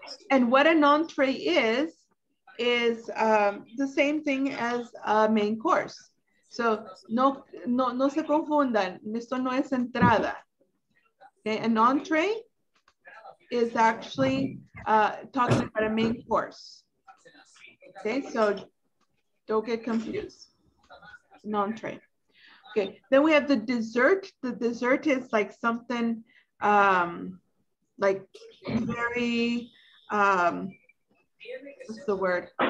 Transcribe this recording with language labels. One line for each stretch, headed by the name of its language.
English: And what an entree is the same thing as a main course.
Spanish: So no se confundan, esto no es entrada.
English: Okay, an entree is actually talking about a main course. Okay, so don't get confused, an entree. Okay, then we have the dessert. The dessert is like something like very, what's the word?